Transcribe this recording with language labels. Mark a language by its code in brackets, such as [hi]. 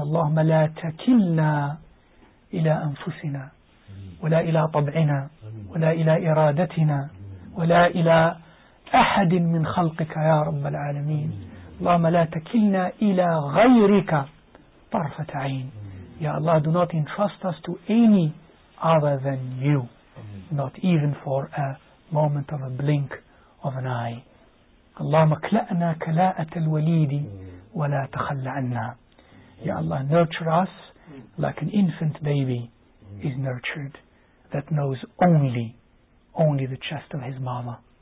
[ar] اللهم لا تكلنا إلى أنفسنا ولا إلى طبعنا ولا إلى إرادتنا ولا إلى أحد من خلقك يا رب العالمين. اللهم لا تكلنا إلى غيرك طرفة عين. [en] يا الله, do not entrust us to any other than you, not even for a moment of a blink of an eye. [ar] اللهم اكلأنا كلاءة الوليد ولا تخلى عنا. [en] يا الله, nurture us like an infant baby is nurtured that knows only the chest of his mama.